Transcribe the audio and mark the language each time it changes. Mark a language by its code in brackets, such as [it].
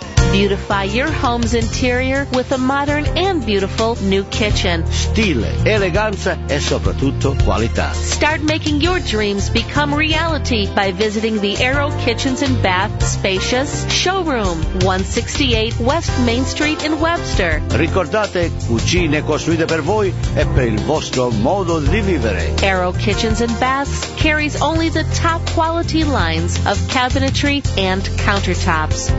[en] Beautify your home's interior with a modern and beautiful new kitchen. [it] Stile, eleganza e soprattutto qualità. [en] Start making your dreams become reality by visiting the Arrow Kitchens and Bath spacious showroom, 168 West Main Street in Webster. [it] Ricordate, cucine costruite per voi e per il vostro modo di vivere. [en] Arrow Kitchens and Baths carries only the top quality lines of cabinetry and countertops.